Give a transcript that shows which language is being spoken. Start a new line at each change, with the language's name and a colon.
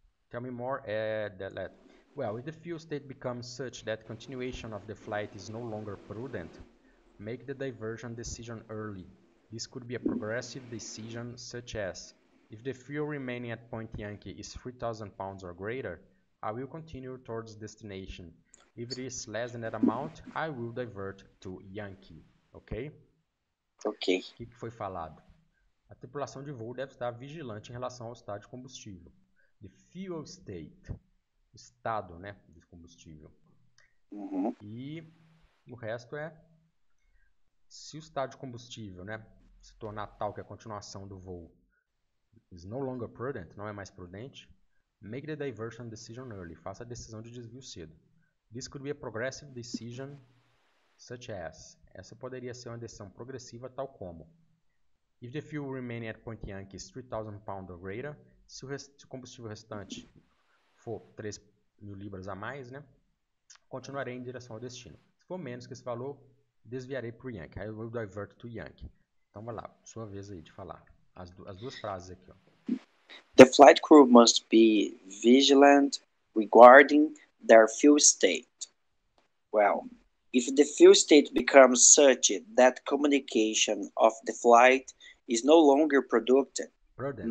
English: Tell me more that letter. Well, if the fuel state becomes such that continuation of the flight is no longer prudent, make the diversion decision early. This could be a progressive decision, such as, if the fuel remaining at Point Yankee is 3,000 pounds or greater, I will continue towards destination. If it is less than that amount, I will divert to Yankee. Ok? Ok.
Portuguese: O que foi falado? A tripulação de voo deve estar vigilante em relação ao estado de combustível.
English: The fuel state...
Portuguese: estado, né, de combustível. Uhum. E o resto é se o estado de combustível, né, se tornar tal que a continuação do voo
English: is no longer prudent,
Portuguese: não é mais prudente,
English: make the diversion decision early,
Portuguese: faça a decisão de desvio cedo.
English: This could be a progressive decision, such as.
Portuguese: Essa poderia ser uma decisão progressiva, tal como.
English: If the fuel remaining at Point Yankee is 3,000 pounds or greater,
Portuguese: se o combustível restante for 3 mil libras a mais, né, continuarei em direção ao destino. Se for menos que esse valor, desviarei para o Yankee.
English: I will divert to Yankee.
Portuguese: Então, vai lá, sua vez aí de falar. As duas frases aqui. Ó.
English: The flight crew must be vigilant regarding their fuel state. Well, if the fuel state becomes such that communication of the flight is no longer productive, prudent.